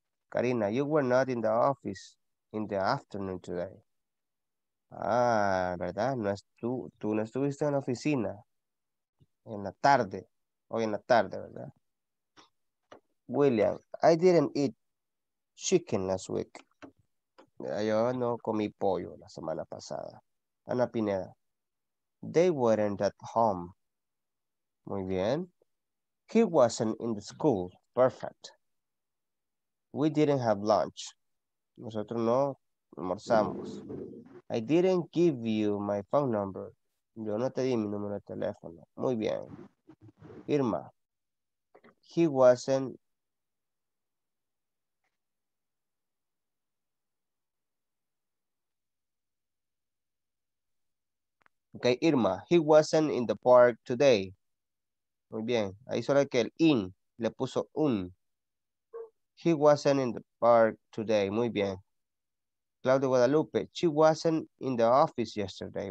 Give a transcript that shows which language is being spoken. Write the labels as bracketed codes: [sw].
[en] Karina, you were not in the office in the afternoon today. [es] Ah, ¿verdad? No tú no estuviste en la oficina en la tarde. Hoy en la tarde, ¿verdad? [en] William, I didn't eat chicken last week. [es] Yo no comí pollo la semana pasada. Ana Pineda, [en] they weren't at home. [es] Muy bien. [en] He wasn't in the school. Perfect. We didn't have lunch. [es] Nosotros no almorzamos. [en] I didn't give you my phone number. [es] Yo no te di mi número de teléfono. Muy bien. [en] Irma, he wasn't okay, Irma, he wasn't in the park today. Muy bien. [es] Ahí solo que el in le puso un. [en] He wasn't in the park today. [es] Muy bien. [en] Claudia Guadalupe, she wasn't in the office yesterday.